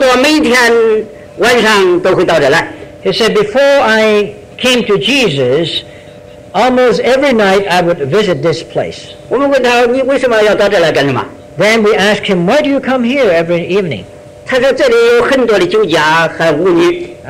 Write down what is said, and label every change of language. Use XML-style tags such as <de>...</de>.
<zh>他说我没信耶稣之前，差不多每天晚上都会到这来。</zh> <en>He said, before I came to Jesus, almost every night I would visit this place.</en> <zh>我们问他，你为什么要到这来干什么？</zh> <en>Then we asked him, why do you come here every evening?</en> <zh>他说这里有很多的酒家和舞女。</zh>